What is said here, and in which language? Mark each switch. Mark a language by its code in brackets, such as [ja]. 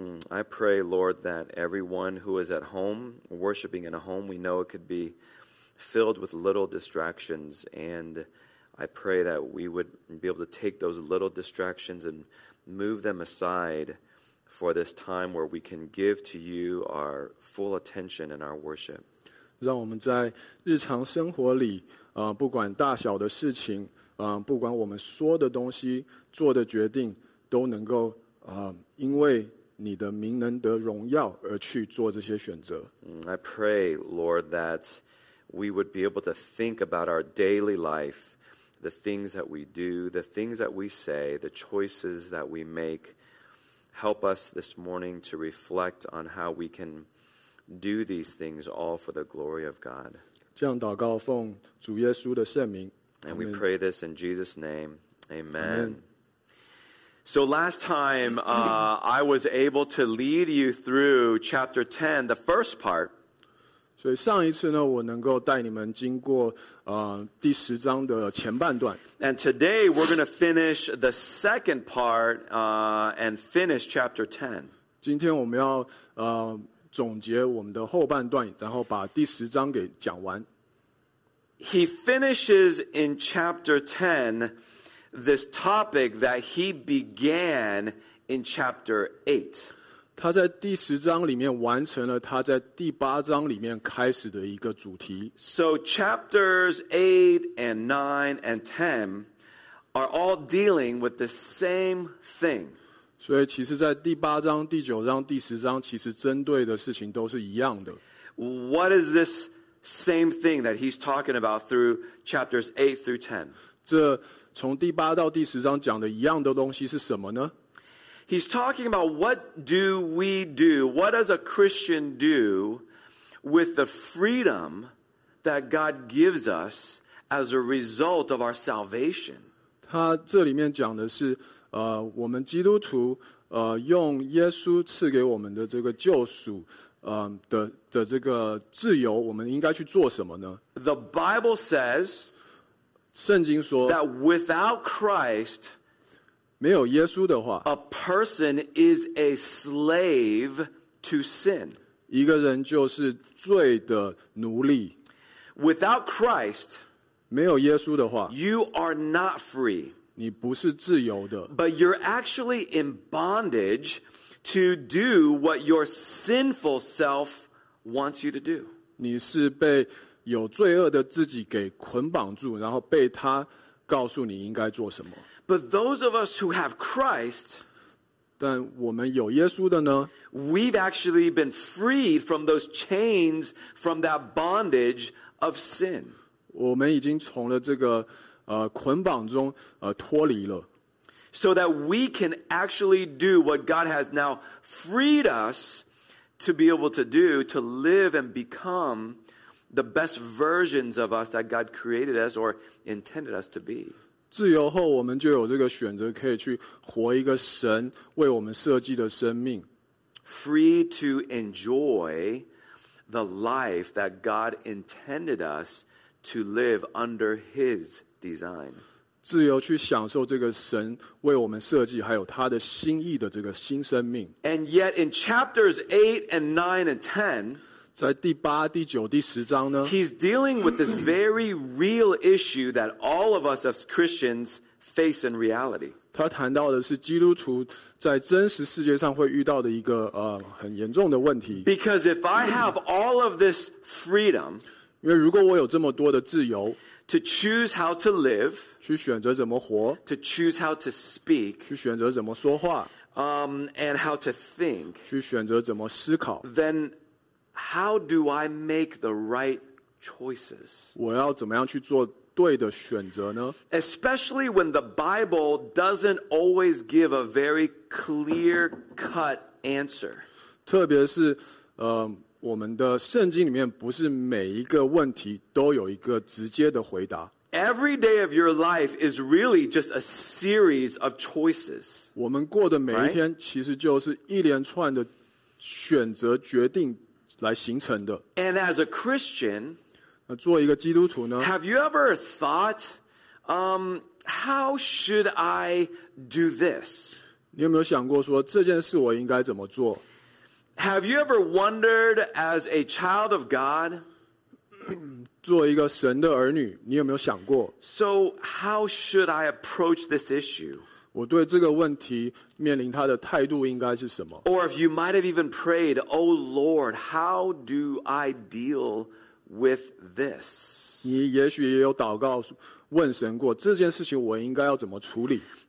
[en] I pray, Lord, that everyone who is at home, worshiping in a home, we know it could be filled with little distractions, and I pray that we would be able to take those little distractions and move them aside for this time where we can give to you our full attention and our worship. [zh] 让我们在日常生活里不管大小的事情不管我们说的东西做的决定都能够因为你的名能得荣耀而去做这些选择。 [en] I pray, Lord, that we would be able to think about our daily life,the things that we do, the things that we say, the choices that we make. Help us this morning to reflect on how we can do these things all for the glory of God. [zh] 这样祷告奉主耶稣的圣名。 [en] And we pray this in Jesus' name. Amen. Amen. So last time, I was able to lead you through chapter 10, the first part. [zh] 所以上一次呢，我能够带你们经过第十章的前半段。 [en] And today we're going to finish the second part and finish chapter 10. [zh] 今天我们要总结我们的后半段，然后把第十章给讲完。 [en] He finishes in chapter 10 this topic that he began in chapter 8. [zh] 他在第十章里面完成了他在第八章里面开始的一个主题。 [en] So chapters 8 and 9 and 10 are all dealing with the same thing. [zh] 所以其实在第八章、第九章、第十章，其实针对的事情都是一样的。 [en] What is this same thing that he's talking about through chapters 8 through 10? [zh] 这从第八到第十章讲的一样的东西是什么呢？ [en] He's talking about what do we do, what does a Christian do with the freedom that God gives us as a result of our salvation? [zh] 他这里面讲的是我们基督徒用耶稣赐给我们的这个救赎的这个自由，我们应该去做什么呢？ [en] The Bible says, [zh] 圣经说 [en] that without Christ, [zh] 没有耶稣的话， [en] a person is a slave to sin. [zh] 一个人就是罪的奴隶。 [en] Without Christ, [zh] 没有耶稣的话， [en] you are not free. [zh] 你不是自由的。 [en] But you're actually in bondage to do what your sinful self wants you to do. [zh] 你是被有罪恶的自己给捆绑住，然后被他告诉你应该做什么。 [en] But those of us who have Christ, [zh] 但我们有耶稣的呢， [en] we've actually been freed from those chains, from that bondage of sin. [zh] 我们已经从了这个捆绑中脱离了。 [en] So that we can actually do what God has now freed us to be able to do, to live and become the best versions of us that God created us or intended us to be. [zh] 自由后我们就有这个选择，可以去活一个神为我们设计的生命。 [en] Free to enjoy the life that God intended us to live under His design. [zh] 自由去享受这个神为我们设计还有他的心意的这个新生命。 [en] And yet in chapters 8 and 9 and 10, [zh] 在第八、第九、第十章呢， [en] he's dealing with this very real issue that all of us as Christians face in reality. [zh] 他谈到的是基督徒在真实世界上会遇到的一个很严重的问题。 [en] Because if I have all of this freedom, [zh] 因为如果我有这么多的自由， [en] To choose how to live, [zh] 去选择怎么活, [en] to choose how to speak, [zh] 去选择怎么说话, [en] and how to think, [zh] 去选择怎么思考, [en] then how do I make the right choices? [zh] 我要怎么样去做对的选择呢? [en] Especially when the Bible doesn't always give a very clear-cut answer. [zh] 特别是我们的圣经里面不是每一个问题都有一个直接的回答。 [en] Every day of your life is really just a series of choices. [zh] 我们过的每一天其实就是一连串的选择决定来形成的。 [en] And as a Christian, [zh] 做一个基督徒呢， [en] Have you ever thought, how should I do this? [zh] 你有没有想过说这件事我应该怎么做？ [en] Have you ever wondered, as a child of God, [zh] 作为一个神的儿女，你有没有想过？ [en] So how should I approach this issue? [zh] 我对这个问题面临他的态度应该是什么？ [en] Or if you might have even prayed, Oh Lord, how do I deal with this? [zh] 你也许也有祷告问神过，这件事情我应该要怎么处理？